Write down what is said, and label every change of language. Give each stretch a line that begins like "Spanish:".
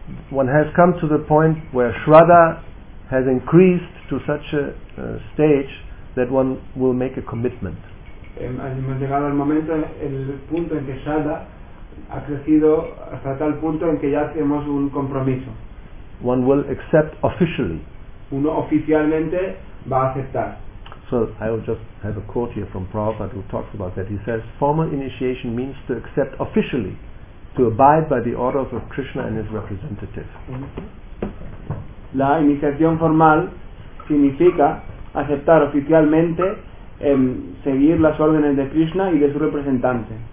English: One has come to the point where Shraddha has increased to such a stage that one will make a commitment.
Spanish: Hemos llegado al momento, el punto en que Shraddha ha crecido hasta tal punto en que ya hacemos un compromiso.
English: One will accept officially.
Spanish: Uno oficialmente va a aceptar.
English: So I will just have a quote here from Prabhupada who talks about that. He says, formal initiation means to accept officially, to abide by the orders of Krishna and his representative.
Spanish: La iniciación formal significa aceptar oficialmente seguir las órdenes de Krishna y de su representante.